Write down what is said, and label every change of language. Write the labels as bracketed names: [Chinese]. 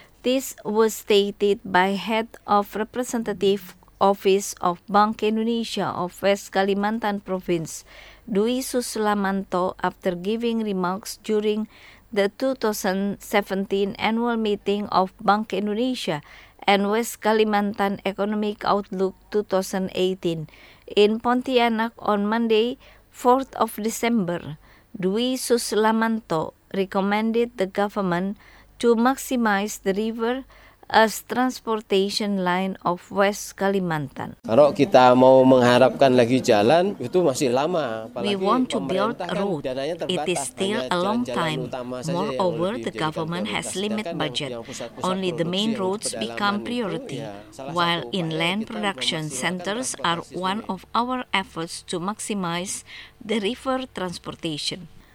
[English] This was stated by head of representative office of Bank Indonesia of West Kalimantan Province, Dwi Suslamanto, after giving remarks during the 2017 annual meeting of Bank Indonesia and West Kalimantan Economic Outlook 2018 in Pontianak on Monday, 4th of December. Dwi Suslamanto recommended the government to maximize the river as transportation line of West Kalimantan. [Indonesian] Kalau kita mau mengharapkan lagi jalan, itu masih lama. [English] We want to build a road. It is still a long time. Moreover, the government has limited budget. Only the main roads become priority, while inland production centers are one of our efforts to maximize the river transportation.